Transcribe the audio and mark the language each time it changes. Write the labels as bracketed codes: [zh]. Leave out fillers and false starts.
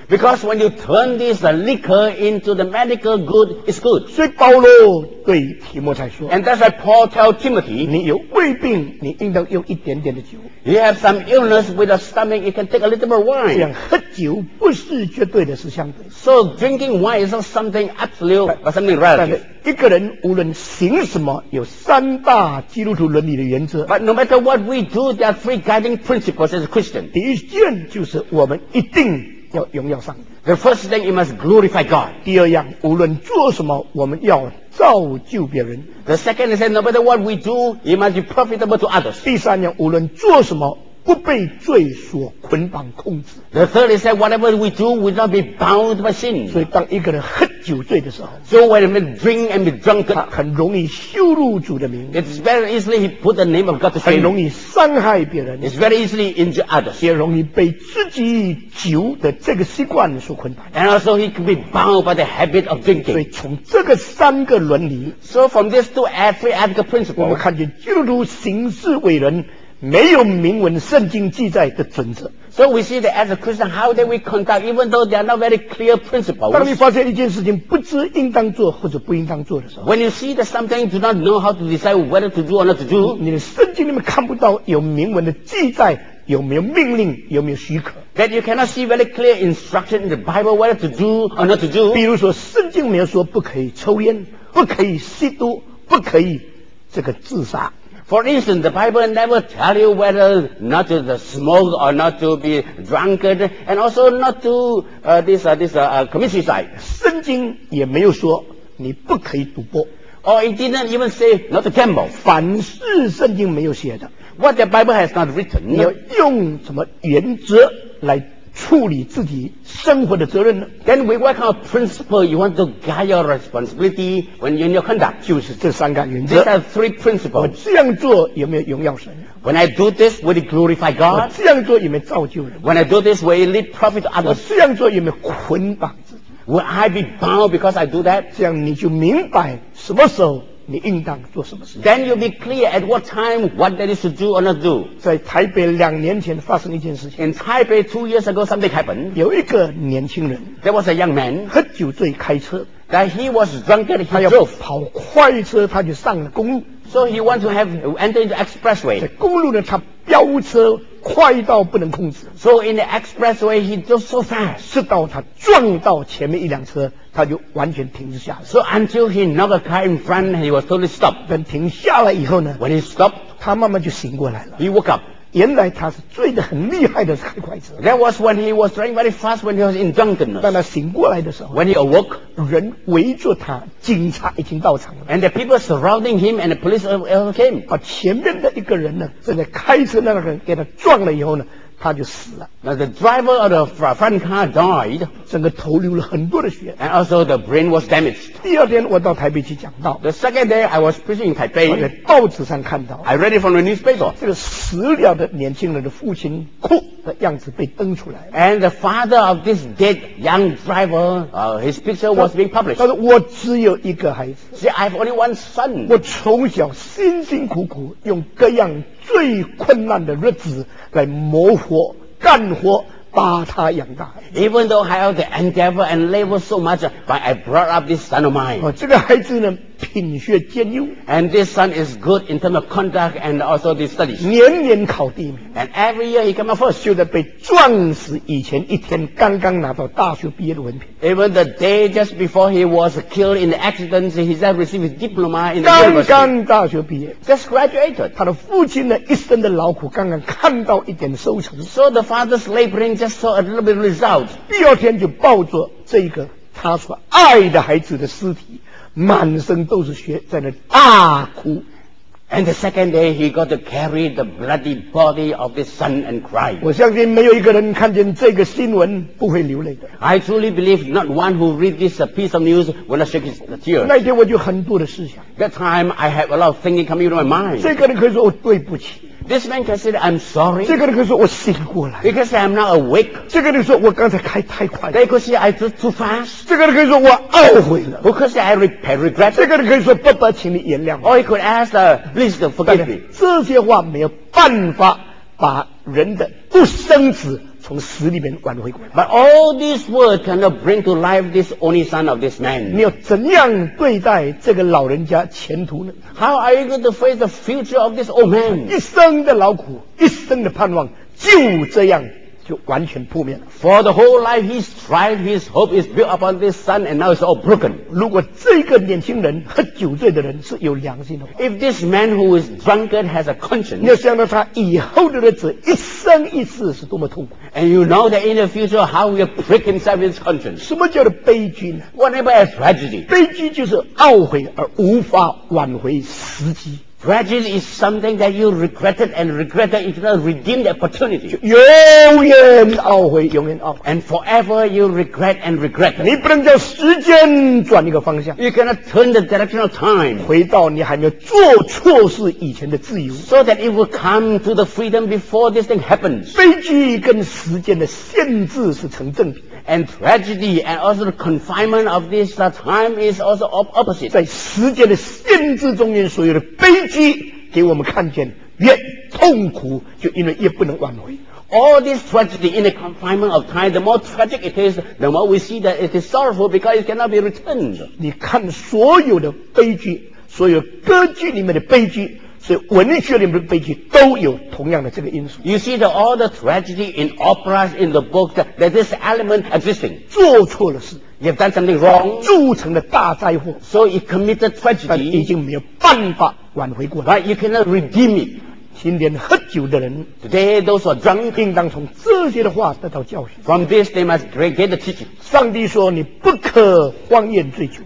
[en] Because when you turn this liquor into the medical good, it's good. [zh] 所以保罗对提摩太说 [en] ，And that's why Paul tell Timothy, [zh] 你有胃病，你应当用一点点的酒。 [en] You have some illness with a stomach, you can take a little bit of wine. [zh] 这样喝酒不是绝对的事，相对。 [en] So drinking wine is not something absolute, but something relative. [zh] 一个人无论行什么，有三大基督徒伦理的原则。 [en] But no matter what we do, there are 3 guiding principles as a Christian. [zh] 第一件就是我们一定要荣耀上帝。 [en] The first thing, you must glorify God. [zh] 第二样，无论做什么，我们要造就别人。 [en] The second is that no matter what we do, you must be profitable to others. [zh] 第三样，无论做什么，不被罪所捆绑控制。 [en] The third is that whatever we do, we will not be bound by sin. [zh] 所以当一个人喝酒醉的时候， [en] so when a man drink and be drunk, [zh] 他很容易羞辱主的名。 [en] It's very easily he put the name of God to shame. [zh] 很容易伤害别人。 [en] It's very easily injure others. [zh] 也容易被自己酒的这个习惯所捆绑。 [en] And also he can be bound by the habit of drinking. [zh] 所以从这个三个伦理， [en] so from these two ethical principles, [zh] 我们看见基督徒行事为人没有明文圣经记载的准则。 [en] So we see that as a Christian, how do we conduct, even though they are not very clear principles. [zh] 当你发现一件事情不知应当做或者不应当做的时候， [en] when you see that something you do not know how to decide whether to do or not to do, [zh] 你的圣经里面看不到有明文的记载，有没有命令，有没有许可。 [en] That you cannot see very clear instruction in the Bible whether to do or not to do. [zh] 比如说圣经没有说不可以抽烟，不可以吸毒，不可以这个自杀。 [en] For instance, the Bible never tell you whether not to smoke or not to be drunkard, and also not to commit suicide. [zh] 圣经也没有说你不可以赌博。 [en] Or it didn't even say not to gamble. [zh] 凡是圣经没有写的。 [en] What the Bible has not written. [zh] 你要用什么原则来处理自己生活的责任呢？ [en] Then we work on a principle you want to guide your responsibility when you're in your conduct. [zh] 就是这三个原则。 [en] These are three principles. [zh] 我这样做有没有荣耀神？ [en] When I do this, will it glorify God? [zh] 我这样做有没有造就人？ [en] When I do this, will it lead profit to others? [zh] 我这样做有没有捆绑自己？ [en] Will I be bound because I do that? [zh] 这样你就明白什么时候你应当做什么事。 [en] Then you'll be clear at what time what that is to do or not do. [zh] 在台北两年前发生一件事情。 [en] In Taipei 2 years ago, something happened. [zh] 有一个年轻人。 [en] There was a young man. [zh] 喝酒醉开车。 [en] That he was drunk and he drove. [zh] 跑快车，他就上了公路。 [en] So he wants to have enter into expressway. [zh] 在公路呢，他飙车快到不能控制。 [en] So in the expressway, he drove so fast. [zh] 直到他撞到前面一辆车。他就完全停止下来。 [en] So until he knocked a car in front, he was totally stopped. [zh] 等停下来以后呢， [en] when he stopped, [zh] 他慢慢就醒过来了。 [en] He woke up. [zh] 原来他是醉得很厉害的开快车。 [en] That was when he was driving very fast when he was in drunkenness. [zh] 当他醒过来的时候， [en] when he awoke, [zh] 人围着他，警察已经到场了。 [en] And the people surrounding him and the police also came. [zh] 把前面的一个人呢，正在开车那个人给他撞了以后呢，他就死了。 [en] Now the driver of the front car died. [zh] 整个头流了很多的血。 [en] And also the brain was damaged. [zh] 第二天我到台北去讲道。 [en] The second day I was preaching in Taipei. [zh] 我在报纸上看到。 [en] I read it from the newspaper. [zh] 这个死了的年轻人的父亲哭的样子被登出来。 [en] And the father of this dead young driver, his picture was being published. [zh] 他说我只有一个孩子。 [en] See, I have only one son. [zh] 我从小辛辛苦苦用各样最困难的日子来谋活干活把他养大。 [en] Even though I have the endeavor and labor so much, but I brought up this son of mine. [zh] 哦，这个孩子呢，品学兼优。 [en] And this son is good in terms of conduct and also the studies. [zh] 年年考第一名。 [en] And every year he came up first. [zh] 就在被撞死以前一天，刚刚拿到大学毕业的文凭。 [en] Even the day just before he was killed in the accident, he just received his diploma in the university. [zh] 刚刚大学毕业。 [en] Just graduated. [zh] 他的父亲呢，一生的劳苦刚刚看到一点收成。 [en] So the father's laboring just saw a little bit of result. [zh] 第二天就抱着这个他所爱的孩子的尸体，满身都是血，在那大哭。 [en] And the second day, he got to carry the bloody body of his son and cry. [zh] 我相信没有一个人看见这个新闻不会流泪的。 [en] I truly believe not one who read this piece of news will not shed his tears. [zh] 那天我就很多的思想。 [en] That time, I had a lot of thinking coming into my mind. [zh] 这个人可以说我对不起。 [en] This man can say, I'm sorry. [zh] 这个人可以说我醒过来。 [en] He can say, I'm not awake. [zh] 这个人说我刚才开太快。 [en] They could say, I drove too fast. [zh] 这个人可以说我懊悔了。 [en] Who could say, I regret. [zh] 这个人可以说爸爸请你原谅我。 [en] Or he could ask, please forgive me. [zh] 这些话没有办法把人的不生子从死里面挽回过来。 [en] But all these words cannot bring to life this only son of this man. [zh] 你要怎样对待这个老人家前途呢？ [en] How are you going to face the future of this old man? [zh] 一生的劳苦，一生的盼望，就这样就完全破灭。 [en] For the whole life he's tried, his hope is built upon this son, and now it's all broken. [zh] 如果这个年轻人喝酒醉的人是有良心的话 [en] ，If this man who is drunkard has a conscience， [zh] 你要想到他以后的日子一生一世是多么痛苦。 [en] And you know that in the future how he'll prick himself his conscience。 [zh] 什么叫做悲剧呢 [en] ？Whatever is tragedy， [zh] 悲剧就是懊悔而无法挽回时机。 [en] Tragedy is something that you regretted and regretted. You cannot redeem the opportunity. [zh] 永远懊悔，永远懊悔。 [en] And forever you regret and regret. [zh] 你不能叫时间转一个方向。 [en] You cannot turn the direction of time. [zh] 回到你还没有做错事以前的自由。 [en] So that it will come to the freedom before this thing happens. [zh] 悲剧跟时间的限制是成正比。 [en] And tragedy and also the confinement of this time is also opposite. [zh] 在时间的限制中间所有的悲剧给我们看见越痛苦就因为越不能挽回。 [en] All this tragedy in the confinement of time, the more tragic it is, the more we see that it is sorrowful because it cannot be returned. [zh] 你看所有的悲剧，所有歌剧里面的悲剧，所以文学里面的悲剧都有同样的这个因素。 [en] You see that all the tragedy in operas, in the books, that this element existing. [zh] 做错了事。 [en] You've done something wrong. [zh] 铸成了大灾祸。 [en] So you committed tragedy. [zh] 但已经没有办法挽回过来。 [en] Right, you cannot redeem it. [zh] 今天喝酒的人 [en] Today those are drunk. [zh] 应当从这些的话得到教训。 [en] From this they must get the teaching. [zh] 上帝说你不可荒宴醉酒。